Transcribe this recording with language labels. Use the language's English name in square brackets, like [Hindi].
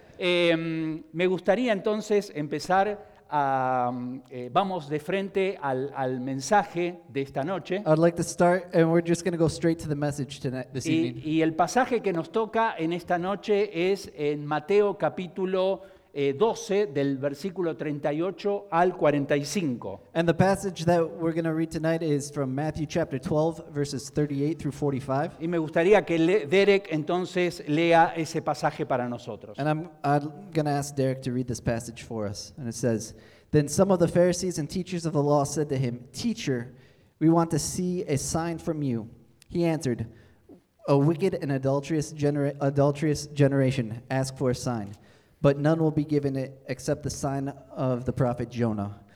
[Spanish] Me gustaría entonces empezar a vamos de frente al mensaje de esta noche. [English] I'd like to start, and we're just going to go straight to the message tonight, this evening. [Spanish] Y el pasaje que nos toca en esta noche es en Mateo capítulo 12, del versículo 38 al 45. [English] And the passage that we're going to read tonight is from Matthew chapter 12, verses 38 through 45. [Spanish] Y me gustaría que Derek entonces lea ese pasaje para nosotros. [English] And I'm going to ask Derek to read this passage for us. And it says, "Then some of the Pharisees and teachers of the law said to him, 'Teacher, we want to see a sign from you.' He answered, 'A wicked and adulterous generation ask for a sign, but none will be given it except the sign of the prophet Jonah.